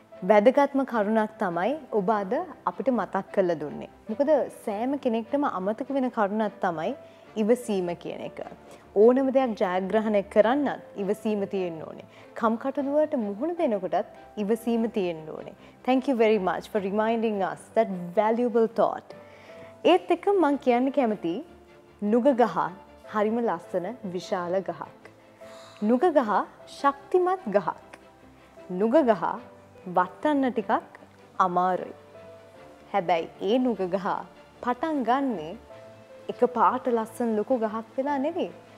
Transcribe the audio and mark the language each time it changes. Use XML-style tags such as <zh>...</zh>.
<si>වැදගත්ම කරුණක් තමයි ඔබ අද අපිට මතක් කරලා දුන්නේ. මොකද සෑම කෙනෙක්ටම අමතක වෙන කරුණක් තමයි ඉවසීම කියන එක. ඕනම දෙයක් ජයග්‍රහණය කරන්නත් ඉවසීම තියෙන්න ඕනේ. කම්කටොළුවට මුහුණ දෙනකොටත් ඉවසීම තියෙන්න ඕනේ.</si> <en>Thank you very much for reminding us that valuable thought.</en> <si>ඒත් එක්ක මම කියන්න කැමති නුග ගහ හරිම ලස්සන විශාල ගහක්. නුග ගහ ශක්තිමත් ගහක්. නුග ගහ වටන්න ටිකක් අමාරුයි. හැබැයි ඒ නුග ගහ පටන් ගන්නේ එක පාට ලස්සන ලොකු ගහක් වෙලා නෙවෙයි.</si>